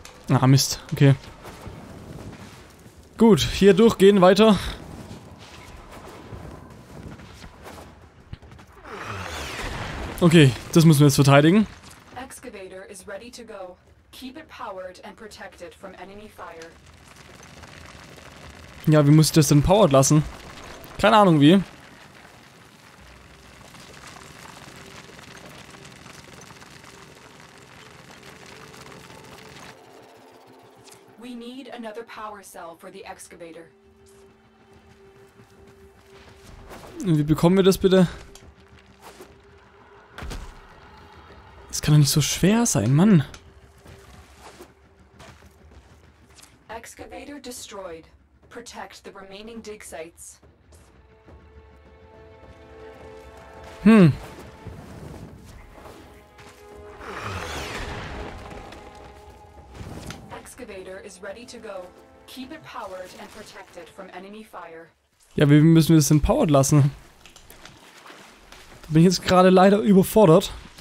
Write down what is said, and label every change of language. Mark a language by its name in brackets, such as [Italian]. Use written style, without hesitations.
[German] Ah, Mist. Okay. Gut, hier durchgehen, weiter. Okay, das müssen wir jetzt verteidigen. [English] Excavator is ready to go. Keep it powered and protected from enemy fire. [German] Ja, wie muss ich das denn powered lassen? Keine Ahnung wie. [English] We need another power cell for the excavator. [German] Wie bekommen wir das bitte? Das kann doch nicht so schwer sein, Mann. [English] Excavator destroyed. Protect the remaining dig sites. Excavator is ready to go. Keep it powered and protected from enemy fire. [German] Ja, wie müssen wir das denn powered lassen? Da bin ich jetzt gerade leider überfordert.